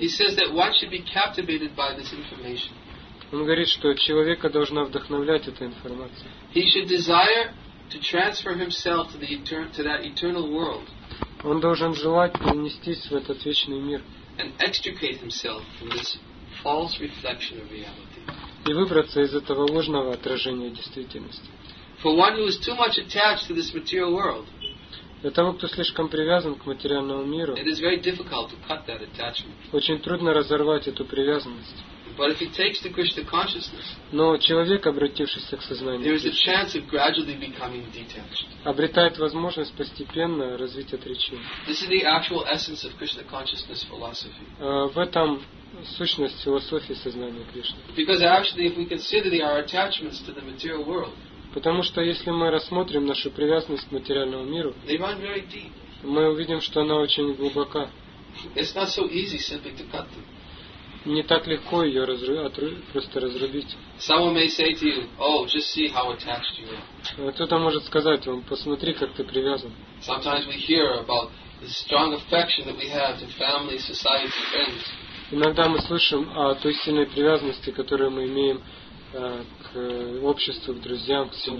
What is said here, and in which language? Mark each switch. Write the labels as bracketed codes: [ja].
[en] He says that one should be captivated by this information. [ru] Он говорит, что человека должна вдохновлять эта информация. [en] He should desire to transfer himself to that eternal world. [ru] Он должен желать перенестись в этот вечный мир. [en] And extricate himself from this false reflection of reality. [ru] И выбраться из этого ложного отражения действительности. [en] For one who is too much attached to this material world, [ru] для того, кто слишком привязан к материальному миру, [en] it is very difficult to cut that attachment. [ru] Очень трудно разорвать эту привязанность. [en] But if he takes to Krishna consciousness, [ru] но человек, обратившийся к сознанию, [en] there is a chance of gradually becoming detached. [ru] Обретает возможность постепенно развить отречение. [en] This is the actual essence of Krishna consciousness philosophy. [ru] В этом сущность философии сознания Кришны. [en] Because actually, if we consider our attachments to the material world, [ru] потому что если мы рассмотрим нашу привязанность к материальному миру, мы увидим, что она очень глубока. [en] It's not so easy simply to cut them. [ru] не так легко ее просто разрубить. [en] Someone may say to you, oh, just see how attached you are. [ru] Кто-то может сказать вам, посмотри, как ты привязан. [en] Sometimes we hear about the strong affection that we have to family, society, friends. [ru] Иногда мы слышим о той сильной привязанности, которую мы имеем к обществу, к друзьям, к семье,